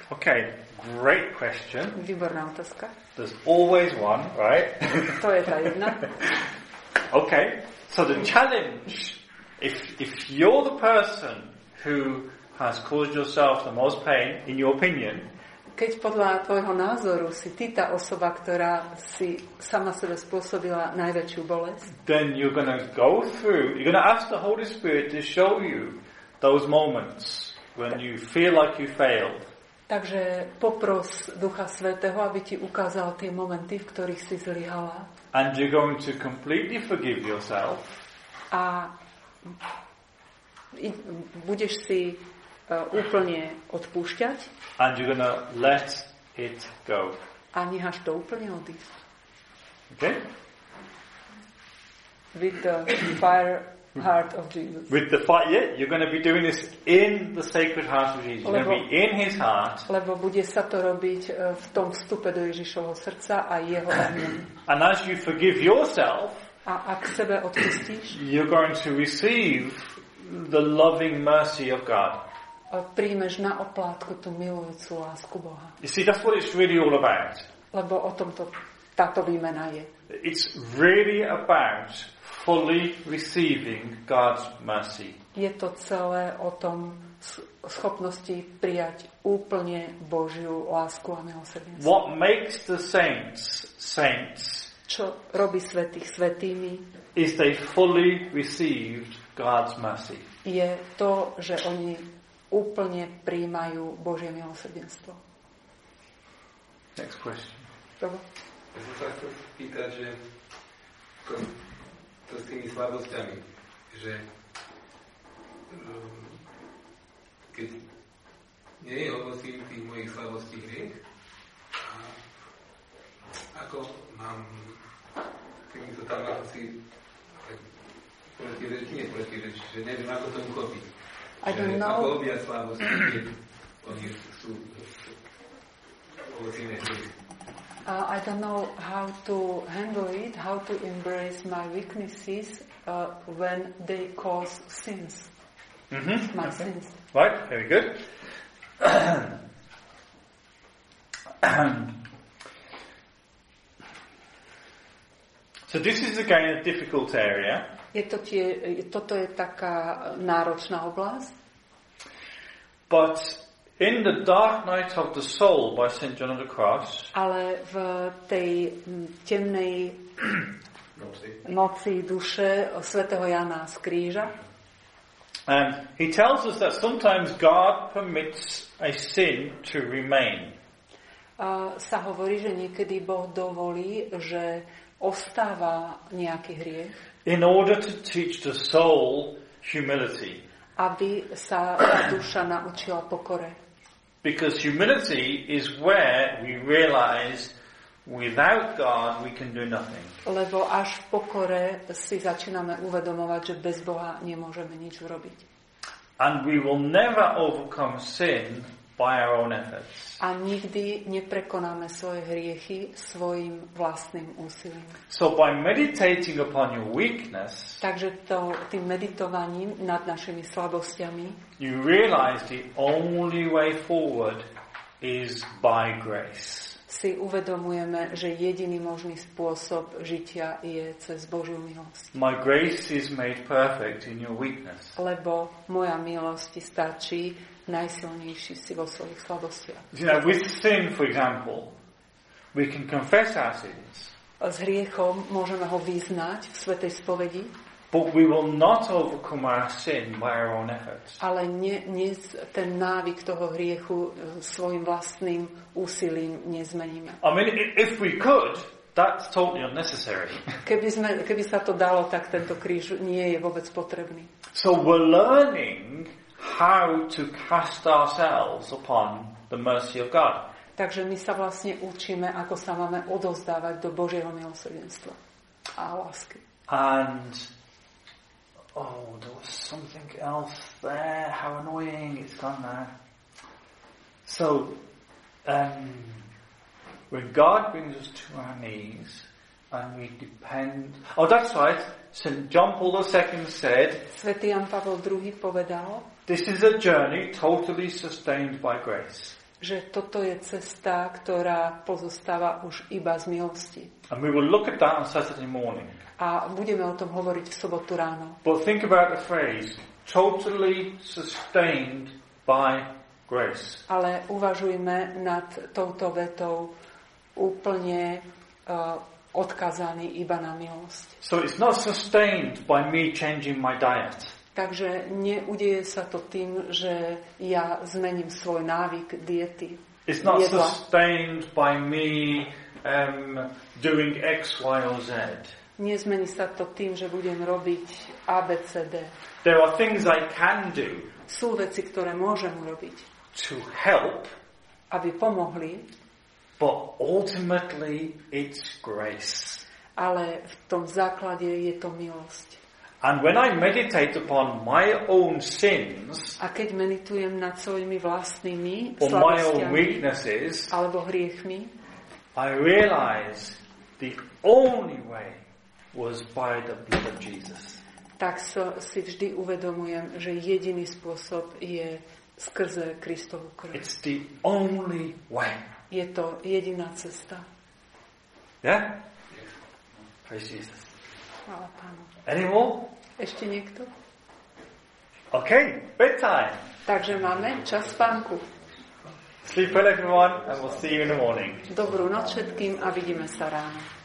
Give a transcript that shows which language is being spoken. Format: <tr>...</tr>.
<en>Okay, great question.</en> <sk>Výborná otázka.</sk> <en>There's always one, right?</en> <sk>To je tá jedna.</sk> <en>Okay, so the challenge, if you're the person who has caused yourself the most pain, in your opinion,</en> <sk>keď podľa tvojho názoru si ty tá osoba, ktorá si sama sebe spôsobila najväčšiu bolesť,</sk> <en>then you're gonna go through, you're gonna ask the Holy Spirit to show you those moments when you feel like you failed.</en> <sk>Takže popros Ducha Svätého, aby ti ukázal tie momenty, v ktorých si zlyhala.</sk> <en>And you're going to completely forgive yourself.</en> <sk>A budeš si úplne odpúšťať.</sk> <en>And you're gonna let it go.</en> <sk>A necháš to úplne odísť.</sk> <en>Okay? With the fire heart of Jesus. With the fire, yeah, you're going to be doing this in the sacred heart of Jesus. You're going to be in his heart.</en> <sk>Lebo bude sa to robiť v tom vstupe do Ježišovho srdca a jeho ohňom.</sk> <en>And as you forgive yourself,</en> <sk>a ak sebe odpustíš,</sk> <en>you're going to receive the loving mercy of God.</en> <sk>Prijmeš na oplátku tú milujúcu lásku Boha.</sk> <en>You see, that's what it's really all about.</en> <sk>Lebo o tomto táto výmena je.</sk> <en>It's really about fully receiving God's mercy.</en> <sk>Je to celé o tom schopnosti prijať úplne Božiu lásku a milosrdenstvo.</sk> <en>What makes the saints saints?</en> <sk>Čo robí svätých svätými?</sk> <en>Is they fully received God's mercy.</en> <sk>Je to, že oni úplne prijímajú Božie milosrdenstvo.</sk> <en>Next question.</en> <sk>Dobre. Ja som sa chcel spýtať, že to s tými slabosťami, že keď nie je ovocím tých mojich slabostí hriech a ako mám týmito tamáci protireči, nie protireči, že neviem, ako to uchopiť. Ako obja slabosti, keď oni sú ovocím hriech.</sk> <en>I don't know how to handle it, how to embrace my weaknesses when they cause sins. Mm-hmm. My okay. Sins. Right, very good. So this is again a difficult area. Toto je taká náročná oblasť. But In the Dark Night of the Soul by St. John of the Cross.</en> <sk>Ale v tej temnej noci duše svätého Jana z kríža.</sk> <en>And he tells us that sometimes God permits a sin to remain.</en> <sk>Sa hovorí, že niekedy Boh dovolí, že ostáva nejaký hriech.</sk> <en>In order to teach the soul humility.</en> <sk>Aby sa duša naučila pokore.</sk> <en>Because humility is where we realize without God we can do nothing.</en> <sk>Lebo až v pokore si začíname uvedomovať, že bez Boha nemôžeme nič urobiť.</sk> <en>And we will never overcome sin by our own efforts.</en> <sk>A nikdy neprekonáme svoje hriechy svojim vlastným úsilím.</sk> <en>So by meditating upon your weakness,</en> <sk>takže to tým meditovaním nad našimi slabosťami,</sk> <en>you realize the only way forward is by grace.</en> <sk>Si uvedomujeme, že jediný možný spôsob žitia je cez Božiu milosť.</sk> <en>My grace is made perfect in your weakness.</en> <sk>Lebo moja milosť ti stačí najsilnejší si vo svojich slabostiach.</sk> <en>You know, with sin, for example, we can confess our sins.</en> <sk>S hriechom môžeme ho vyznať v svätej spovedi.</sk> <en>But we will not overcome our sin by our own efforts.</en> <sk>Ale nie ten návyk toho hriechu svojim vlastným úsilím nezmeníme.</sk> <en>I mean, if we could, that's totally unnecessary.</en> <sk>Keby sa to dalo, tak tento kríž nie je vôbec potrebný.</sk> <en>So we're learning how to cast ourselves upon the mercy of God.</en> <sk>Takže my sa vlastne učíme, ako sa máme odovzdávať do Božieho milosrdenstva a lásky.</sk> <en>And oh, there was something else there. How annoying, it's gone now. So when God brings us to our knees and we depend, oh, that's right, St. John Paul II said,</en> <sk>Svätý Ján Pavol II povedal,</sk> <en>this is a journey totally sustained by grace.</en> <sk>Že toto je cesta, ktorá pozostáva už iba z milosti.</sk> <en>And we will look at that on Saturday morning.</en> <sk>A budeme o tom hovoriť v sobotu ráno.</sk> <en>But think about the phrase totally sustained by grace.</en> <sk>Ale uvažujme nad touto vetou úplne odkazaný iba na milosť.</sk> <en>So it's not sustained by me changing my diet.</en> <sk>Takže neudeje sa to tým, že ja zmením svoj návyk diety.</sk> <en>It's not</en> <sk>jedla.</sk> <en>Sustained by me doing X, Y or Z.</en> <sk>Nezmení sa to tým, že budem robiť ABCD.</sk> <en>There are things I can do.</en> <sk>Sú veci, ktoré môžem urobiť.</sk> <en>To help.</en> <sk>Aby pomohli.</sk> <en>But ultimately it's grace.</en> <sk>Ale v tom základe je to milosť.</sk> <en>And when I meditate upon my own sins,</en> <sk>a keď meditujem nad svojimi vlastnými slabostiami alebo hriechmi,</sk> <en>I realize the only way was by the blood of Jesus.</en> <sk>Tak si vždy uvedomujem, že jediný spôsob je skrze Kristovu krv.</sk> <en>It's the only way.</en> <sk>Je to jediná cesta.</sk> <en>Yeah? Praise Jesus.</en> <sk>Chvála Pánu.</sk> <en>Any more?</en> <sk>Ešte niekto?</sk> <en>Okay, bedtime.</en> <sk>Takže máme čas spánku.</sk> <en>Sleep well, everyone, and we'll see you in the morning.</en> <sk>Dobrú noc všetkým a vidíme sa ráno.</sk>